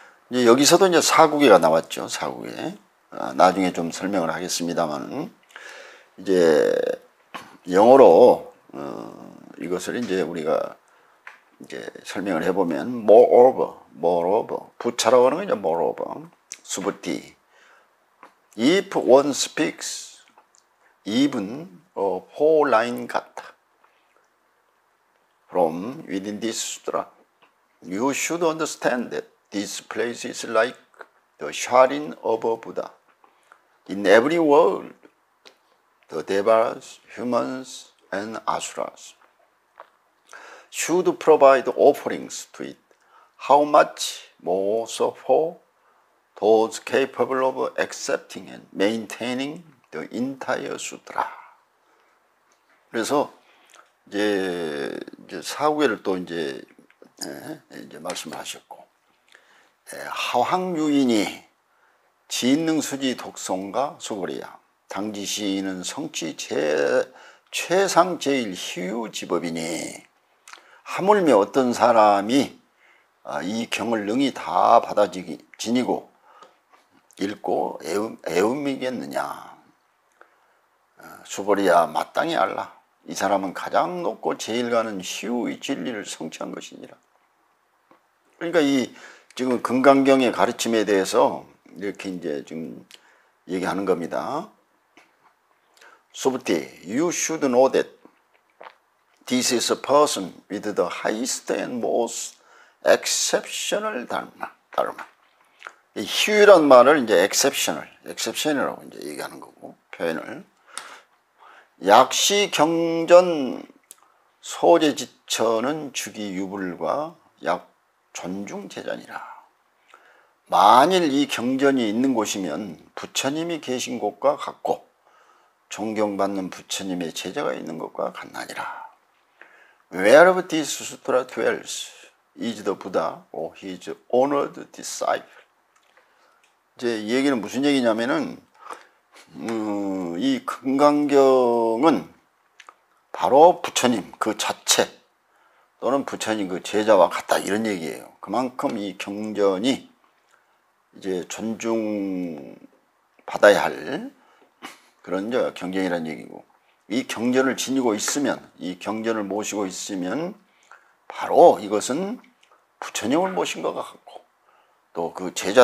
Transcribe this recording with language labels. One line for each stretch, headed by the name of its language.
Korean: 이제 여기서도 이제 사구계가 나왔죠. 사구계. 나중에 좀 설명을 하겠습니다만, 이제 영어로 이것을 이제 우리가 이제 설명을 해보면 moreover, 부차라고 하는 거죠.
English: moreover, 수부티. If one speaks even a four line gatha from within this sutra, you should understand that this place is like the shrine of a Buddha. In every world, the devas, humans, and asuras should provide offerings to it. How much more so for those capable of accepting and maintaining the entire sutra.
Korean: 그래서 이제 사구계를 또 이제 말씀을 하셨고, 하황유인이 진능수지 독송가 수보리야, 당지시인은 성취 최상 제일 희유 지법이니, 하물며 어떤 사람이 이 경을 능히 다 받아지기 지니고 읽고 애움이겠느냐. 수보리야, 마땅히 알라. 이 사람은 가장 높고 제일 가는 희유의 진리를 성취한 것이니라. 그러니까 이 지금 금강경의 가르침에 대해서 이렇게 이제 지금 얘기하는 겁니다.
English: 수부티, you should know that this is a person with the highest and most exceptional dharma.
Korean: 이 희유란 말을 이제 exceptional이라고 이제 얘기하는 거고, 표현을. 약시 경전 소재지처는 주기 유불과 약 존중 제전이라. 만일 이 경전이 있는 곳이면 부처님이 계신 곳과 같고 존경받는 부처님의 제자가 있는 것과 같나니라.
English: Wherever this sutra dwells is the Buddha or his honored disciple.
Korean: 이제 이 얘기는 무슨 얘기냐면은, 이 금강경은 바로 부처님 그 자체 또는 부처님 그 제자와 같다, 이런 얘기예요. 그만큼 이 경전이 이제 존중받아야 할 그런 경전이라는 얘기고, 이 경전을 지니고 있으면, 이 경전을 모시고 있으면 바로 이것은 부처님을 모신 것 같고 또 그